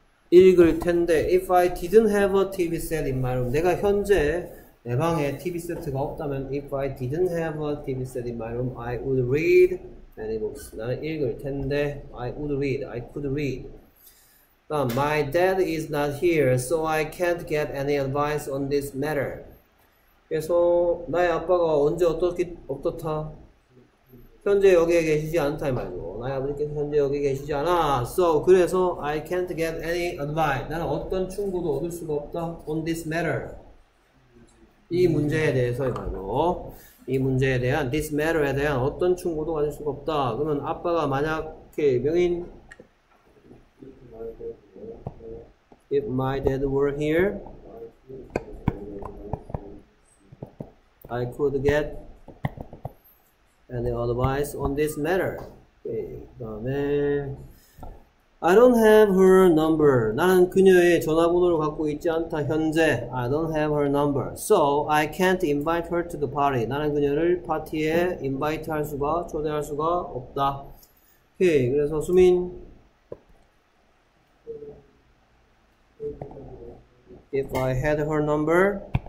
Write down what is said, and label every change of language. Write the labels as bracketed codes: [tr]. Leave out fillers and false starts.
[ko] 읽을 텐데 [en] If I didn't have a TV set in my room, [ko] 내가 현재 내 방에 TV 세트가 없다면 [en] If I didn't have a TV set in my room, I would read many books. [ko] 나는 읽을 텐데, [en] I would read, I could read. 다음, my dad is not here, so I can't get any advice on this matter. [ko] 그래서 나의 아빠가 언제 어떻다? 현재 여기에 계시지 않다 말고 나의 아버지께서 현재 여기에 계시지 않아. [en] So [ko] 그래서 [en] I can't get any advice. [ko] 나는 어떤 충고도 얻을 수가 없다. [en] On this matter. [ko] 이 문제에 대해서 말고 이 문제에 대한 this matter에 대한 어떤 충고도 가질 수가 없다. 그러면 아빠가 만약 명인 [en] if my dad were here. I could get any advice on this matter. I don't have her number. [ko] 나는 그녀의 전화번호를 갖고 있지 않다. [en] 현재 I don't have her number. So I can't invite her to the party. [ko] 나는 그녀를 파티에 invite 할 수가 초대할 수가 없다. Okay. 그래서 수민. [en] If I had her number.